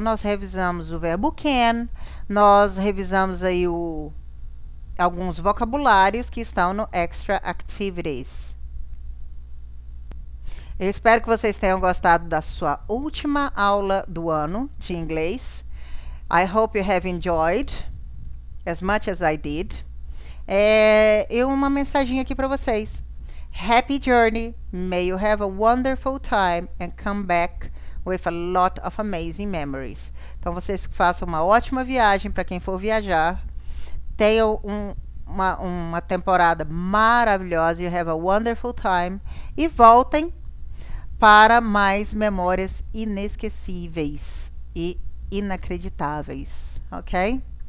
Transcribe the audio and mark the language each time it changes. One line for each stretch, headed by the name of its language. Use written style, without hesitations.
Portuguese: Nós revisamos o verbo can, nós revisamos aí alguns vocabulários que estão no Extra Activities. Eu espero que vocês tenham gostado da sua última aula do ano de inglês.
English: I hope you have enjoyed as much as I did.
Portuguese: E uma mensagem aqui para vocês.
English: Happy journey, may you have a wonderful time and come back with a lot of amazing memories.
Portuguese: Então, vocês façam uma ótima viagem para quem for viajar. Tenham uma temporada maravilhosa.
English: You have a wonderful time.
Portuguese: E voltem para mais memórias inesquecíveis e inacreditáveis. Ok?